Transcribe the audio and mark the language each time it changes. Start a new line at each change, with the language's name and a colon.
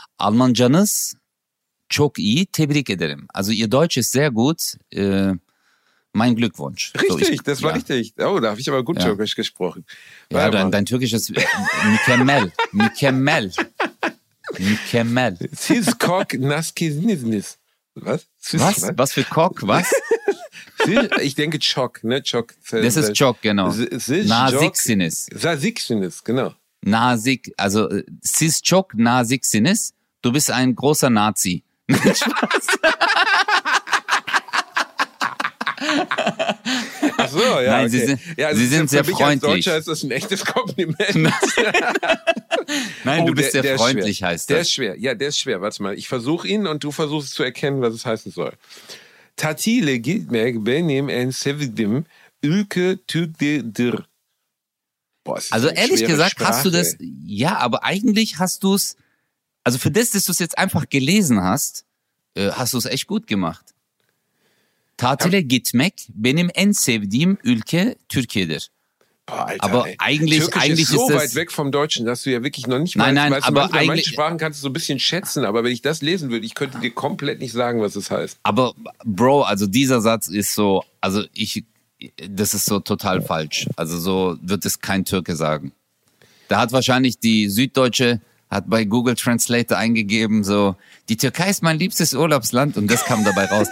Turkish: Alman Janus Çok iyi tebrik ederim.
German: Also ihr Deutsch ist sehr gut. Mein Glückwunsch. Richtig, richtig. Oh, da habe ich aber gut Türkisch gesprochen. Ja, dein Türkisch ist mükemmel.
Turkish: Mükemmel. Mükemmel. Siz kok naskiznisnis. Was?
German: Was? Was für kok? Was? Ich denke çok, ne? Çok. Das ist çok, genau. Nasiksiniz.
Turkish: Nasiksiniz, genau. Nasik, also siz çok nasiksiniz.
German: Du bist ein großer Nazi. Ach so, ja. Nein, okay. Sie sind sehr freundlich. Als Deutscher ist das ein echtes Kompliment. Nein, bist sehr freundlich, heißt das. Der ist schwer. Ja, der ist schwer. Warte mal, ich versuche ihn und du versuchst zu erkennen, was es heißen soll.
Turkish: Tatile gitmek benim en sevdiğim ülke Türkiye'dir.
German: Also ehrlich gesagt, Sprache. Hast du das? Ja, aber eigentlich hast du es. Also für das, dass du es jetzt einfach gelesen hast, hast du es echt gut gemacht.
Turkish: Tatile gitmek benim en sevdiğim ülke Türkiye'dir.
German: Boah, Alter, aber eigentlich, Türkisch eigentlich ist so ist weit weg vom Deutschen, dass du ja wirklich noch nicht nein, weißt, aber manche eigentlich, Sprachen kannst du so ein bisschen schätzen, aber wenn ich das lesen würde, ich könnte dir komplett nicht sagen, was es heißt. Aber Bro, also dieser Satz ist so, also ich, das ist so total falsch. Also so wird es kein Türke sagen. Da hat wahrscheinlich die Süddeutsche hat bei Google Translate eingegeben, so, die Türkei ist mein liebstes Urlaubsland. Und das kam dabei raus.